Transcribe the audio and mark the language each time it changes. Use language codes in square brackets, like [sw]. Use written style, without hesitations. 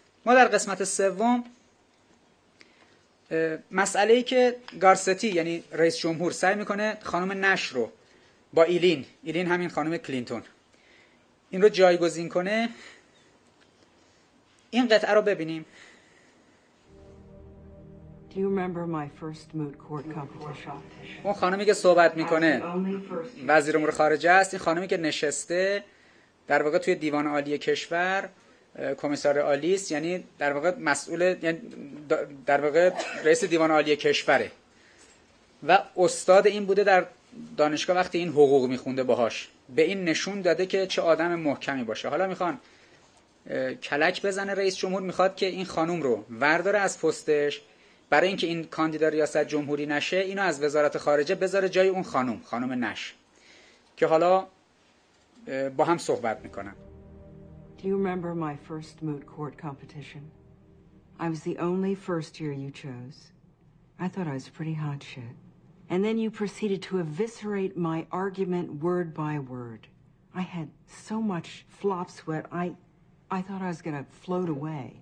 [fa] ما در قسمت سوم مسئله ای که گارستی یعنی رئیس جمهور سعی میکنه خانم نش رو با ایلین همین خانم کلینتون این رو جایگزین کنه، این قطعه رو ببینیم. [en] Do you remember my first moot court competition? [fa] اون خانمی که صحبت میکنه وزیر امور خارجه است، این خانمی که نشسته در واقع توی دیوان عالی کشور کمیسار عالی است، یعنی در واقع مسئول، یعنی در واقع رئیس دیوان عالی کشوره و استاد این بوده در دانشگاه وقتی این حقوق میخونده باهاش، به این نشون داده که چه آدم محکمی باشه. حالا میخوان کلک بزنه رئیس جمهور، میخواد که این خانم رو ورداره از پستش، برای اینکه این کاندیدا ریاست جمهوری نشه اینو از وزارت خارجه بذاره جای اون خانم، خانم نش، که حالا با هم صحبت میکنن. [en] Do you remember my first moot court competition? I was the only first year you chose. I thought I was pretty hot shit. And then you proceeded to eviscerate my argument word by word. I had so much flop sweat, I thought I was gonna float away.